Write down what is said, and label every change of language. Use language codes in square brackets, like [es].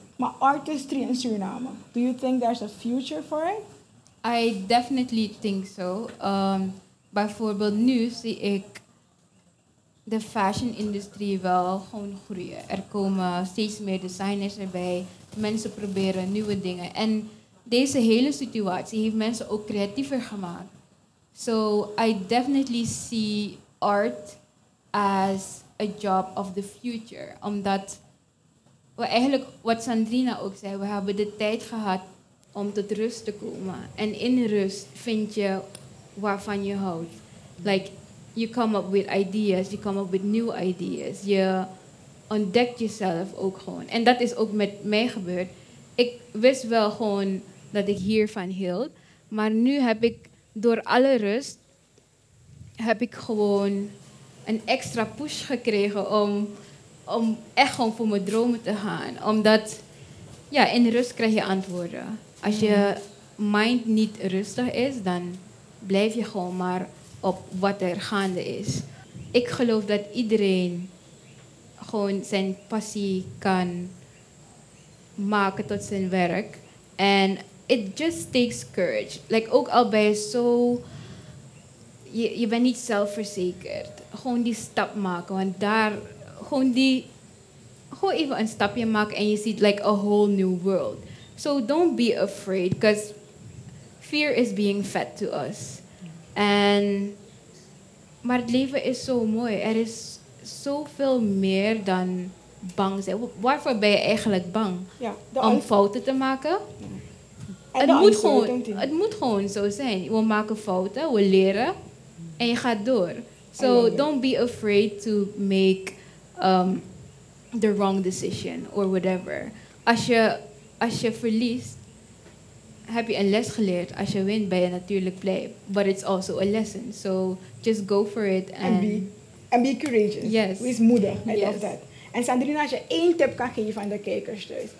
[en] My artistry in Suriname, do you think there's a future for it? I definitely think so. [nl] Bijvoorbeeld nu zie ik de fashion industrie wel gewoon groeien. Er komen steeds meer designers erbij. Mensen proberen nieuwe dingen. En deze hele situatie heeft mensen ook creatiever gemaakt. [en] So I definitely see art as a job of the future. [nl] Omdat we eigenlijk, wat Sandrina ook zei, we hebben de tijd gehad om tot rust te komen. En in rust vind je waarvan je houdt. [en] Like, you come up with ideas, you come up with new ideas. [nl] Je ontdekt jezelf ook gewoon. En dat is ook met mij gebeurd. Ik wist wel gewoon dat ik hiervan hield. Maar nu heb ik door alle rust, heb ik gewoon een extra push gekregen om echt gewoon voor mijn dromen te gaan. Omdat, ja, in rust krijg je antwoorden. Als je mind niet rustig is, dan blijf je gewoon maar op wat er gaande is. Ik geloof dat iedereen gewoon zijn passie kan maken tot zijn werk. En [en] it just takes courage. Like, [nl] ook al ben je zo, je bent niet zelfverzekerd. Gewoon die stap maken. Want daar, gewoon die, gewoon even een stapje maken en je ziet [en] like a whole new world. So don't be afraid, because fear is being fed to us. [nl] And maar het leven is zo mooi. Er is zoveel meer dan bang zijn. Waarvoor ben je eigenlijk bang? Ja, om fouten te maken? Ja. Het moet gewoon zo zijn. We maken fouten, we leren en je gaat door. [en] So don't be afraid to make the wrong decision or whatever. [nl] Als je verliest, heb je een les geleerd. Als je wint, ben je natuurlijk blij. [en] But it's also a lesson. So just go for it. And be courageous. Yes. [nl] Wees moedig. [en] I love that. [nl] En Sandrina, als je 1 tip kan geven aan de kijkers thuis.